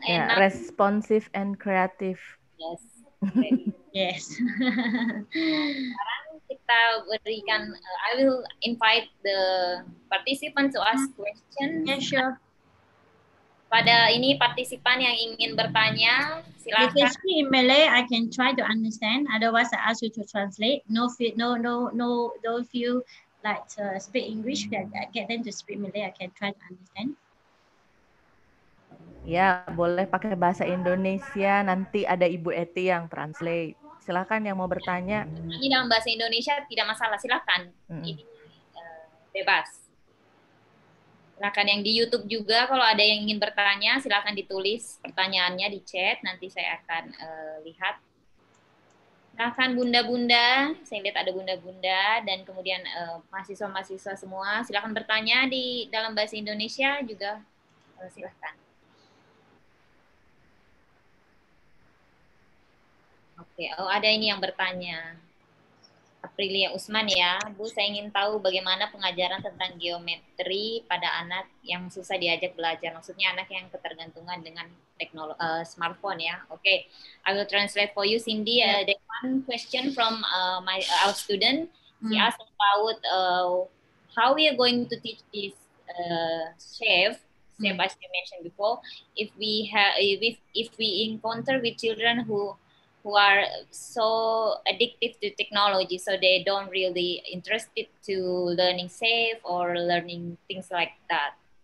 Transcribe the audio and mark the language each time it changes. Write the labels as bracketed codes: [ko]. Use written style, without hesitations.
[en] And yeah, responsive and creative. Yes. Okay. Yes. [id] Sekarang kita berikan, [en] I will invite the participant to ask question. Yeah, sure. [id] Pada ini partisipan yang ingin bertanya, silakan. [en] If it's in Malay, I can try to understand. Otherwise, I ask you to translate. Don't feel like to speak English. I get them to speak Malay. I can try to understand. [id] Ya, boleh pakai bahasa Indonesia. Nanti ada Ibu Eti yang translate. Silakan yang mau bertanya. Ini dalam bahasa Indonesia tidak masalah. Silakan. Ini bebas. Silakan yang di YouTube juga, kalau ada yang ingin bertanya, silakan ditulis pertanyaannya di chat. Nanti saya akan lihat. Silakan bunda-bunda, saya lihat ada bunda-bunda, dan kemudian mahasiswa-mahasiswa semua. Silakan bertanya di dalam bahasa Indonesia juga. Silakan. Oke, oh ada ini yang bertanya. Aprilia Usman ya, Bu, saya ingin tahu bagaimana pengajaran tentang geometri pada anak yang susah diajak belajar. Maksudnya anak yang ketergantungan dengan teknologi smartphone ya. [en] Oke, okay. I will translate for you, Cindy. There's one question from our student. He asked about how we are going to teach this chef, as you mentioned before, if we encounter with children who are so addictive to technology, so they don't really interested to learning safe or learning things like that.